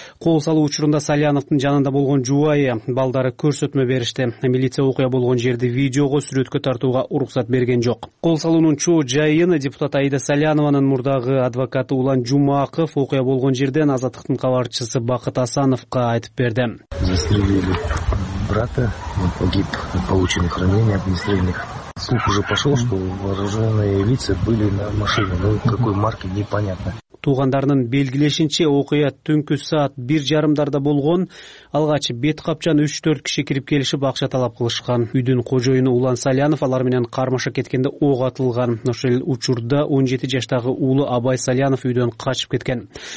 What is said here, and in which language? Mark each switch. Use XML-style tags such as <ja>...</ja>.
<ky>Кол салуу учурунда Саляновдун жанында болгон жубайы балдары көрсөтмө беришти. Милиция окуя болгон жерди видеого сүрөткө тартууга уруксат берген жок. Кол салуунун чоо жайын депутат Айда Салянованын мурдагы адвокаты Улан Жумаков окуя болгон жерден Азаттыктын кабарчысы Бакыт Асановго айтып берди.</ky> <ru>Брата, он погиб от полученных ранений огнестрельных. Слух уже пошел, что вооруженные лица были на машине, но какой марки, непонятно.</ru> <ky>Туугандарынын белгилешинче окуя түнкү саат 1:30 болгон. Алгач бет капчан 3-4 киши кирип келишип акча талап кылышкан. Үйдүн кожоюну Улан Салянов алар менен кармашып кеткенде ок атылган. Ошол учурда 17 жаштагы уулу Абай Салянов үйдөн качып кеткен.</ky>